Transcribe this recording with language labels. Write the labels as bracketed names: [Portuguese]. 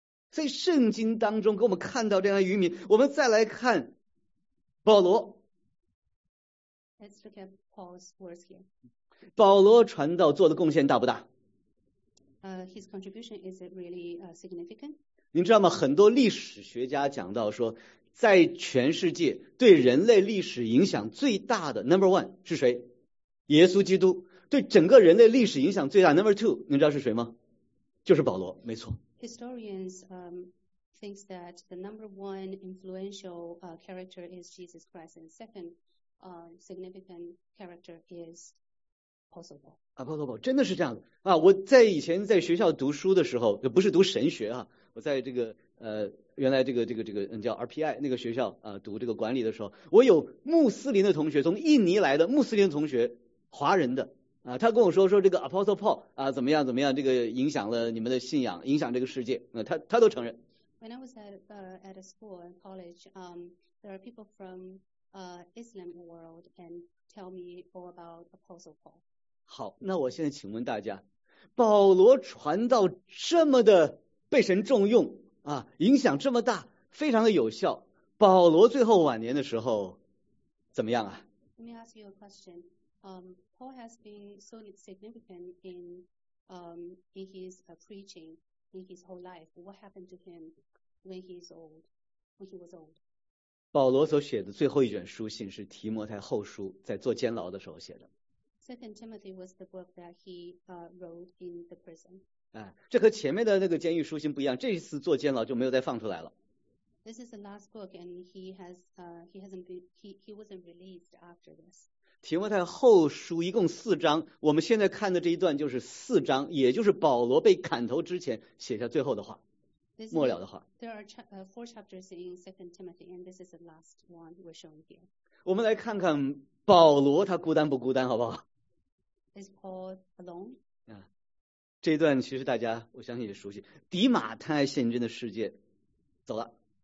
[Chinese] 在圣经当中给我们看到这样的渔民，我们再来看保罗。 [English] Let's look at Paul's words here. [Chinese] 保罗传道做的贡献大不大？ [English] His contribution is really significant. [Chinese] 您知道吗？很多历史学家讲到说，在全世界对人类历史影响最大的 number one 是谁？耶稣基督。对整个人类历史影响最大 number two， 您知道是谁吗？就是保罗，没错。 [English] Historians thinks that the number one influential character is Jesus Christ, and second significant character is Apostle Paul. [Chinese] Apostle Paul 真的是这样的我在以前在学校读书的时候，也不是读神学啊。我在这个原来这个叫 RPI 那个学校读这个管理的时候，我有穆斯林的同学，从印尼来的穆斯林同学，华人的他跟我说这个 Apostle Paul 怎么样这个影响了你们的信仰，影响这个世界他都承认。 [English] When I was at a school and college, there are people from Islam world and tell me all about Apostle Paul. [Chinese] 好，那我现在请问大家，保罗传道这么的被神重用影响这么大，非常的有效，保罗最后晚年的时候怎么样啊？ [English] Let me ask you a question. Paul has been so significant in his preaching in his whole life. What happened to him when he was old? [Chinese] 保罗所写的最后一卷书信是提摩太后书，在坐监牢的时候写的。 [English] Second Timothy was the book that he wrote in the prison. [Chinese] 这和前面的那个监狱书信不一样，这一次坐监牢就没有再放出来了。 [English] This is the last book, and he wasn't released after this. [Chinese] 提摩太后书一共四章，我们现在看的这一段就是四章，也就是保罗被砍头之前写下最后的话，末了的话。 [English] There are four chapters in Second Timothy, and this is the last one we're showing here. [Chinese] 我们来看看保罗他孤单不孤单，好不好 [English] ？Is Paul alone？ [Chinese] 这一段其实大家我相信也熟悉，迪马太现今的世界走了。